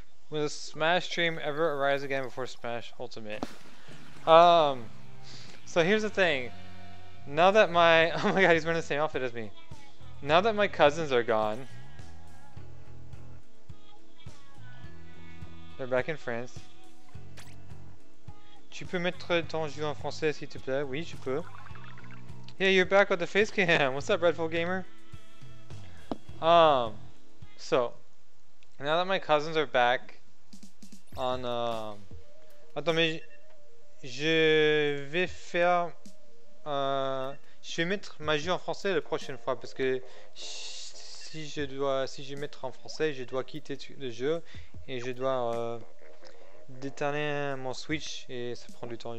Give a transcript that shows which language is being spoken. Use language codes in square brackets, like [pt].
[en] Will the Smash stream ever arise again before Smash Ultimate? So here's the thing. Now that my. Oh my god, he's wearing the same outfit as me. Now that my cousins are gone, they're back in France. [fr] Tu peux mettre ton jeu en français s'il te plaît? Oui, je peux. [en] Yeah, you're back with the face cam. What's up, Redful Gamer? So, now that my cousins are back on, [fr] attends, mais je vais faire, je vais mettre ma jeu en français la prochaine fois parce que si je dois, si je mettre en français, je dois quitter le jeu et je dois déterner mon Switch et ça prend du temps.